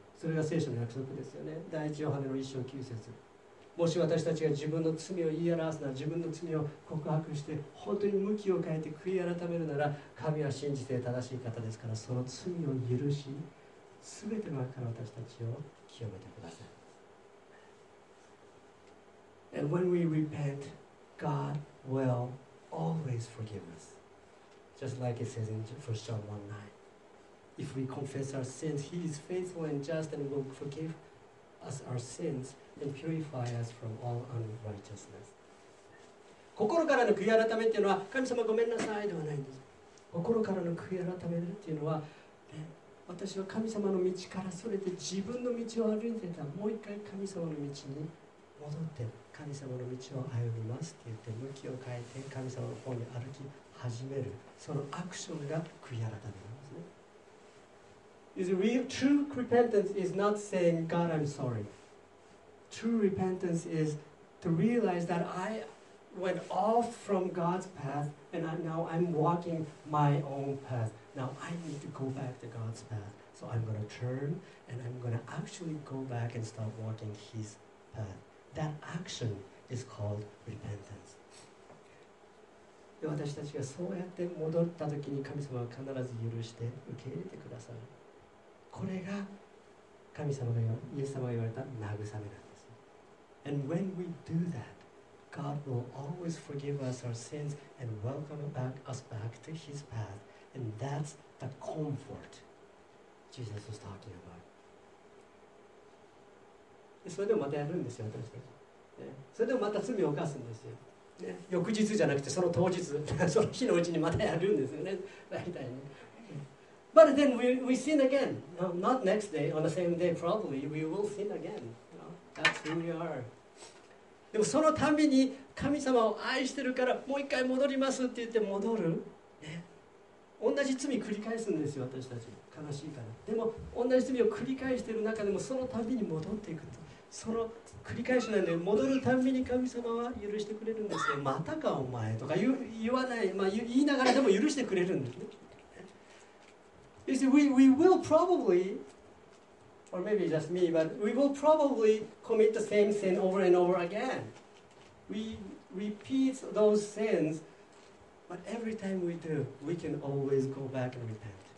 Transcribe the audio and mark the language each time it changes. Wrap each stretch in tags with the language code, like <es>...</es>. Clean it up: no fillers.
<ja>それが聖書の約束ですよね。第一ヨハネの一章九節。もし私たちが自分の罪を言い表すなら、自分の罪を告白して本当に向きを変えて悔い改めるなら、神は信じて正しい方ですから、その罪を許し、すべての悪から私たちを清めてください。</ja> <en>And when we repent, God will always forgive us. Just like it says in 1 John 1:9. If we confess our sins, He is faithful and just and will forgive us our sins and purify us from all unrighteousness.</en> <ja>心からの悔い改めというのは、神様ごめんなさいではないんです。心からの悔い改めというのは、ね、私は神様の道からそれて自分の道を歩いていた。もう一回神様の道に戻って、神様の道を歩みますと言って、向きを変えて神様の方に歩き、始める、そのアクションが悔い改めなんですね。</ja> <en>Is real true repentance is not saying God I'm sorry. True repentance is to realize that I went off from God's path and now I'm walking my own path. Now I need to go back to God's path. So I'm going to turn and I'm going to actually go back and start walking His path. That action is called repentance.</en> <ja>で、私たちがそうやって戻った時に神様は必ず許して受け入れてくださる。これが神様が、イエス様が言われた慰めなんです。</ja> <en>And when we do that, God will always forgive us our sins and welcome us back to His path. And that's the comfort Jesus was talking about.</en> <ja>それでもまたやるんですよ、私たち。それでもまた罪を犯すんですよ。ね、翌日じゃなくてその当日、その日のうちにまたやるんですよね、大体ね。</ja> <en>But then we sin again. Not next day, on the same day probably, we will sin again. That's who we are.</en> <ja>でもそのたびに神様を愛してるからもう一回戻りますって言って戻る、ね。同じ罪繰り返すんですよ、私たち。悲しいから。でも同じ罪を繰り返してる中でもそのたびに戻っていくと。その繰り返しなんで、戻るたびに神様は許してくれるんですよ。またかお前とか 言わない、まあ、言いながらでも許してくれるんですね。</ja> <en>You see, we will probably, or maybe just me, but we will probably commit the same sin over and over again. We repeat those sins, but every time we do, we can always go back and repent.</en>